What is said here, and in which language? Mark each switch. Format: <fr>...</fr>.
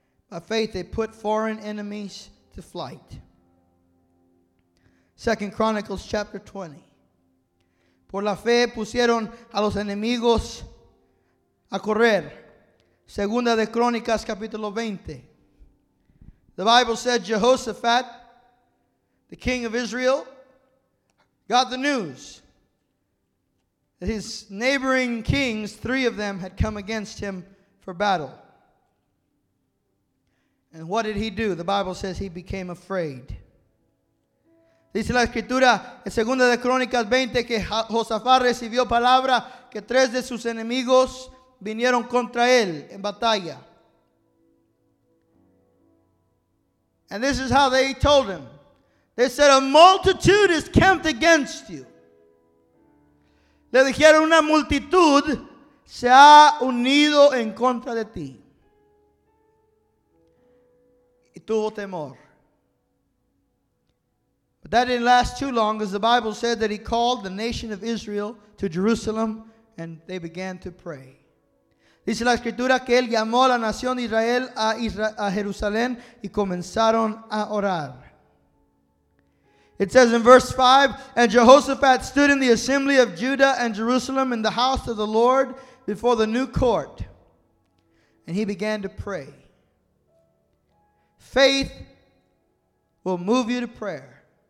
<en>By faith, they put foreign enemies to flight. 2 Chronicles chapter 20.</en> <es>Por la fe pusieron a los enemigos a correr. Segunda de Crónicas, capítulo 20.</es> <en>The Bible said Jehoshaphat, the king of Israel, got the news that his neighboring kings, three of them, had come against him for battle. And what did he do? The Bible says he became afraid.</en> <es>Dice la escritura en Segunda de Crónicas 20 que Josafat recibió palabra que tres de sus enemigos vinieron contra él en batalla.</es> <en>And this is how they told him. They said, a multitude is camped against you.</en> <es>Le dijeron, una multitud se ha unido en contra de ti. Y tuvo temor.</es> <en>That didn't last too long, as the Bible said that he called the nation of Israel to Jerusalem and they began to pray.</en> <es>Dice la escritura que él llamó a la nación de Israel a Jerusalén y comenzaron a orar.</es> <en>It says in verse 5, and Jehoshaphat stood in the assembly of Judah and Jerusalem in the house of the Lord before the new court. And he began to pray. Faith will move you to prayer.</en>